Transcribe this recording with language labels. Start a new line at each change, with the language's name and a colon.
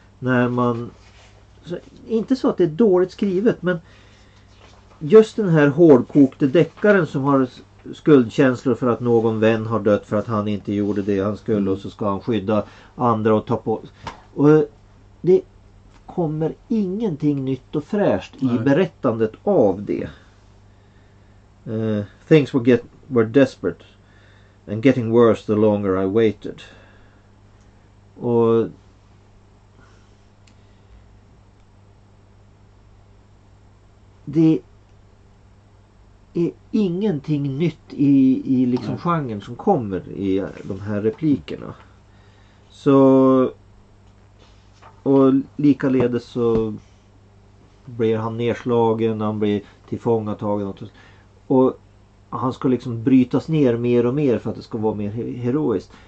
Swedish: När man, så, inte så att det är dåligt skrivet, men just den här hårdkokte deckaren som har skuldkänslor för att någon vän har dött för att han inte gjorde det han skulle, och så ska han skydda andra och ta på. Och det kommer ingenting nytt och fräscht i berättandet av det.
English: Things were desperate and getting worse the longer I waited.
Swedish: Och det är ingenting nytt i liksom genren som kommer i de här replikerna. Så, och likaledes så blir han nedslagen, han blir tillfångatagen och han ska liksom brytas ner mer och mer för att det ska vara mer heroiskt.